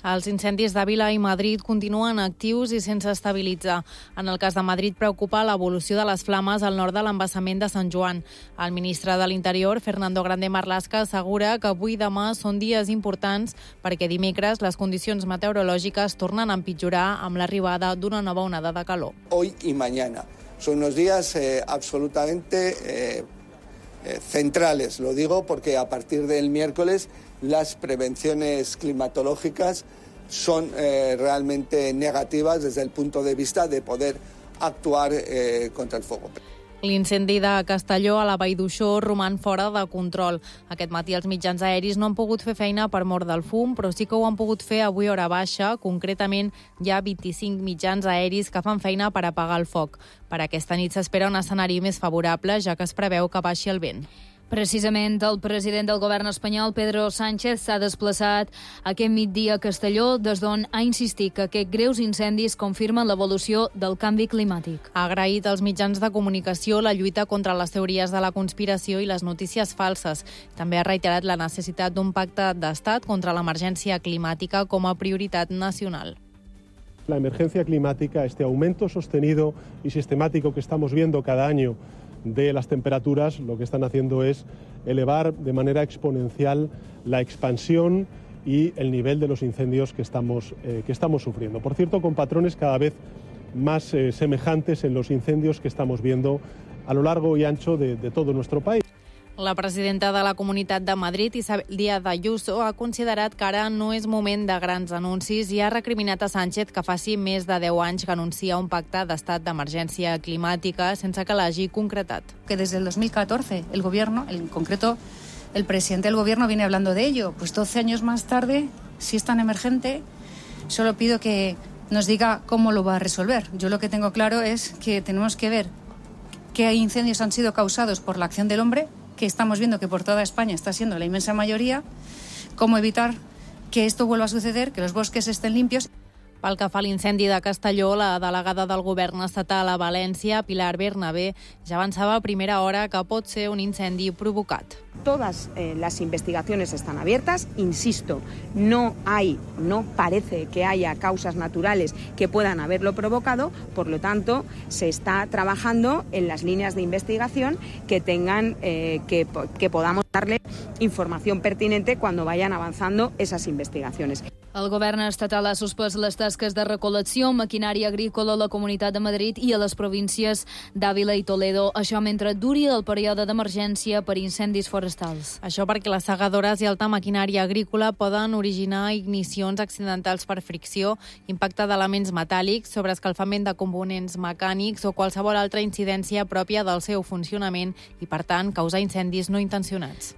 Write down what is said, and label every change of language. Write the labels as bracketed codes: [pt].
[ca] Els incendis d'Àvila i Madrid continuen actius i sense estabilitzar. En el cas de Madrid, preocupa l'evolució de les flames al nord de l'embassament de Sant Joan. El ministre de l'Interior, Fernando Grande Marlaska, assegura que avui i demà són dies importants perquè dimecres les condicions meteorològiques tornen a empitjorar amb l'arribada d'una nova onada de calor. [es] Hoy y mañana son unos días absolutamente centrales. Lo digo porque a partir del miércoles las prevenciones climatológicas son realmente negativas desde el punto de vista de poder actuar contra el fuego. [ca] L'incendi de Castelló a la Vall d'Uixó roman fora de control. Aquest matí els mitjans aeris no han pogut fer feina per mort del fum, però sí que ho han pogut fer avui hora baixa. Concretament, hi ha 25 mitjans aeris que fan feina per apagar el foc. Per aquesta nit s'espera un escenari més favorable, ja que es preveu que baixi el vent. Precisament, el president del govern espanyol, Pedro Sánchez, s'ha desplaçat aquest migdia a Castelló, des d'on ha insistit que aquests greus incendis confirmen l'evolució del canvi climàtic. Ha agraït als mitjans de comunicació la lluita contra les teories de la conspiració i les notícies falses. També ha reiterat la necessitat d'un pacte d'estat contra l'emergència climàtica com a prioritat nacional. [es] La emergencia climática, este aumento sostenido y sistemático que estamos viendo cada año de las temperaturas, lo que están haciendo es elevar de manera exponencial la expansión y el nivel de los incendios que estamos sufriendo. Por cierto, con patrones cada vez más semejantes en los incendios que estamos viendo a lo largo y ancho de todo nuestro país. [ca] La presidenta de la Comunitat de Madrid, Isabel Díaz Ayuso, ha considerat que ara no és moment de grans anuncis i ha recriminat a Sánchez que faci més de 10 anys que anuncia un pacte d'estat d'emergència climàtica sense que l'hagi concretat. [es] Que des del 2014 el gobierno, en concreto el presidente del gobierno, viene hablando de ello. Pues 12 años más tarde, si es tan emergente, solo pido que nos diga cómo lo va a resolver. Yo lo que tengo claro es que tenemos que ver qué incendios han sido causados por la acción del hombre, que estamos viendo que por toda España está siendo la inmensa mayoría, cómo evitar que esto vuelva a suceder, que los bosques estén limpios. [ca] Pel que fa a l'incendi de Castelló, la delegada del govern estatal a València, Pilar Bernabé, ja avançava a primera hora que pot ser un incendi provocat. [es] Todas las investigaciones están abiertas, insisto, no parece que haya causas naturales que puedan haberlo provocado, por lo tanto, se está trabajando en las líneas de investigación que tengan que podamos darle información pertinente cuando vayan avanzando esas investigaciones. [ca] El govern estatal ha suspès les tasques de recol·lecció, maquinària agrícola a la Comunitat de Madrid i a les províncies d'Àvila i Toledo, això mentre duri el període d'emergència per incendis forestals. Això perquè les segadores i alta maquinària agrícola poden originar ignicions accidentals per fricció, impacte d'elements metàl·lics, sobreescalfament de components mecànics o qualsevol altra incidència pròpia del seu funcionament i, per tant, causar incendis no intencionats.